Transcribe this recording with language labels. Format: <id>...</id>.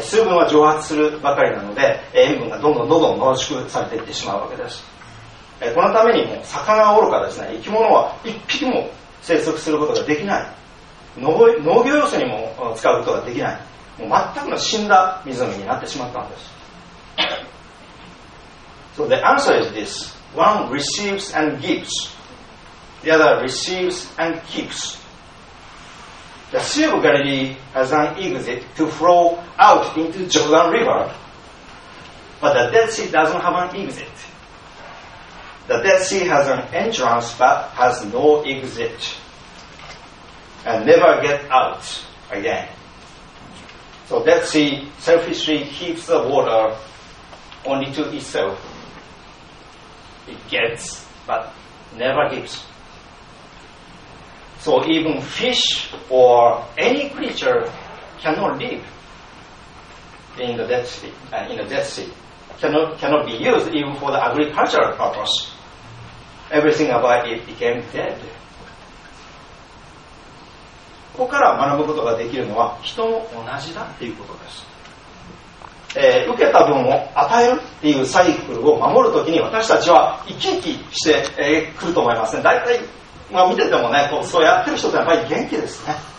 <ja>水分は蒸発するばかりなので塩分がどんどんどんどん濃縮されていってしまうわけです。このためにも魚はおろかですね、生き物は一匹も生息することができない。農業用水にも使うことができない。もう全くの死んだ湖になってしまったんです。</ja> <en>So the answer is this: One receives and gives. The other receives and keeps. The Sea of Galilee has an exit to flow out into Jordan River, but the Dead Sea doesn't have an exit. The Dead Sea has an entrance but has no exit and never get out again. So Dead Sea selfishly keeps the water only to itself. It gets but never gives. So even fish or any creature cannot live in the Dead Sea. cannot be used even for the agricultural purpose. Everything about it became dead.</en> <ja>ここから学ぶことができるのは人も同じだっていうことです。受けた分を与えるっていうサイクルを守るときに私たちは生き生きしてくると思いますね。だいたい、まあ、見ててもね、こうそうやってる人ってやっぱり元気ですね。</ja>